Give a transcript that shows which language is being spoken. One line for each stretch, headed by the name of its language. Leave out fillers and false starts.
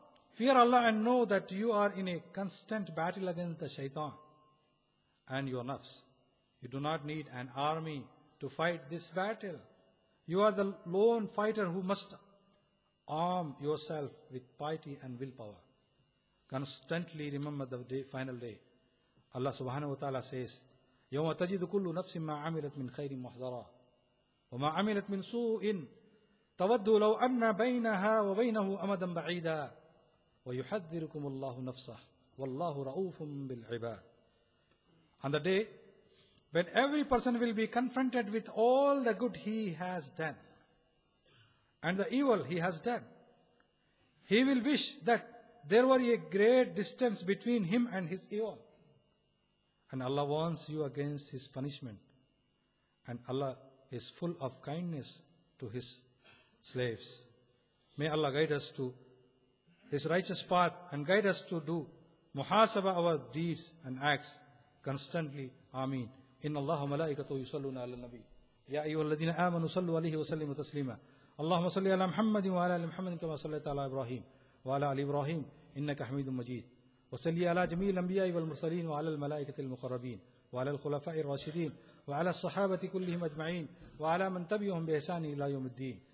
English: Fear Allah and know that you are in a constant battle against the shaitan and your nafs. You do not need an army to fight this battle. You are the lone fighter who must arm yourself with piety and willpower. Constantly remember the day, final day. Allah subhanahu wa ta'ala says,
Arabic: يَوْمَ تَجِدُ كُلُّ نَفْسٍ مَا عَمِلَتْ مِنْ خَيْرٍ مُحْضَرًا وَمَا عَمِلَتْ مِنْ سُوءٍ تَوَدُّ لَوْ أَنَّ بَيْنَهَا وَبَيْنَهُ أَمَدًا بَعِيدًا وَيُحَذِّرُكُمُ اللَّهُ نَفْسَهُ وَاللَّهُ رَؤُوفٌ بِالْعِبَادِ.
English: On the day when every person will be confronted with all the good he has done and the evil he has done, he will wish that there were a great distance between him and his evil. And Allah warns you against his punishment. And Allah is full of kindness to his slaves. May Allah guide us to his righteous path and guide us to do muhasabah our deeds and acts constantly. Ameen.
Arabic: إن الله وملائكته يصلون على النبي يا أيها الذين آمنوا صلوا عليه وسلموا تسليما. اللهم صل على محمد وعلى آل محمد كما صليت على إبراهيم وعلى آل إبراهيم إنك حميد مجيد. وصل على جميع الأنبياء والمرسلين وعلى الملائكة المقربين وعلى الخلفاء الراشدين وعلى الصحابة كلهم أجمعين وعلى من تبعهم بإحسان إلى يوم الدين.